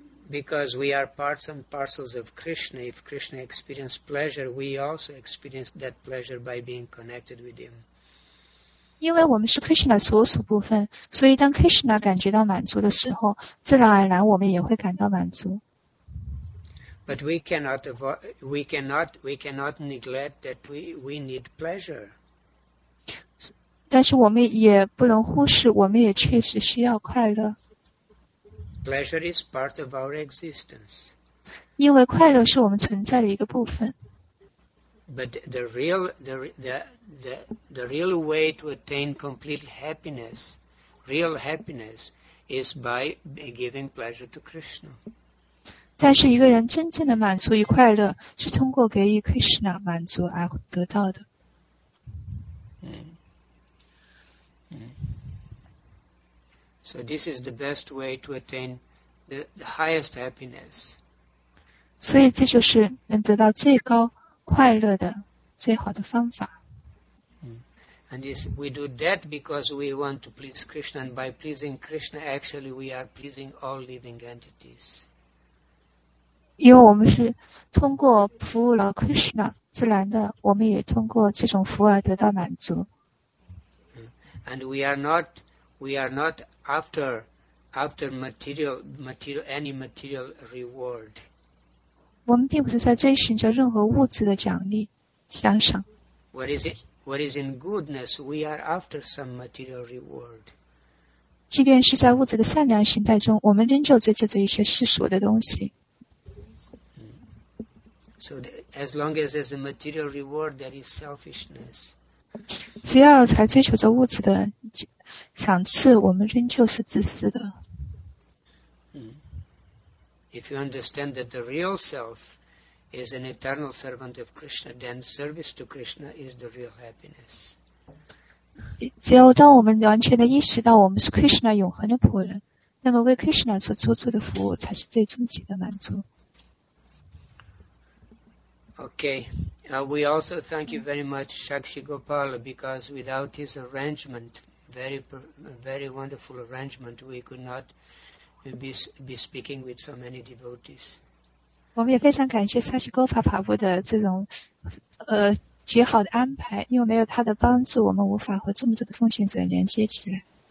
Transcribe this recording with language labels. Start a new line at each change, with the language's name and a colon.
English: Because we are parts and parcels of Krishna, if Krishna experienced pleasure, we also experienced that pleasure by being connected with him.
Chinese: 因为我们是 Krishna 所属部分，所以当 Krishna 感觉到满足的时候，自然而然我们也会感到满足。
English: But we cannot avoid, we cannot neglect that we need pleasure.
Chinese: 但是我们也不能忽视，我们也确实需要快乐。
English: Pleasure is part of our existence.
Chinese: 因为快乐是我们存在的一个部分。
English: But the real way to attain complete happiness, real happiness, is by giving pleasure to Krishna.
Chinese: 但是一个人真正的满足与快乐是通过给予 Krishna 满足而得到的。
English: So this is the best way to attain the highest happiness.
Chinese: 所以这就是能得到最高快乐的最好的方法。
English: And this, we do that because we want to please Krishna, and by pleasing Krishna, actually we are pleasing all living entities.
Chinese: 因为我们是通过服务了 Krishna, 自然的我们也通过这种服务而得到满足。
English: And we are not after any material reward.
Chinese: 我们并不是在追寻着任何物质的奖励奖赏。
English: What is in goodness, we are after some material reward.
Chinese: 即便是在物质的善良形态中，我们仍旧追求着一些世俗的东西。
English: So as long as there's a material reward, there is selfishness.
Chinese: 只要才追求着物质的赏赐，我们仍旧是自私的。
English: If you understand that the real self is an eternal servant of Krishna, then service to Krishna is the real happiness.
Chinese: 只要当我们完全的意识到我们是 Krishna 永恒的仆人，那么为 Krishna 所做出的服务才是最终极的满足。
English: Okay, we also thank you very much, Shakshi Gopal, because without his arrangement, very, very wonderful arrangement, we could not be speaking with so many devotees.
Chinese: 我们也非常感谢沙希戈帕帕布的这种极好的安排，因为没有他的帮助，我们无法和这么多的奉献者连接起来。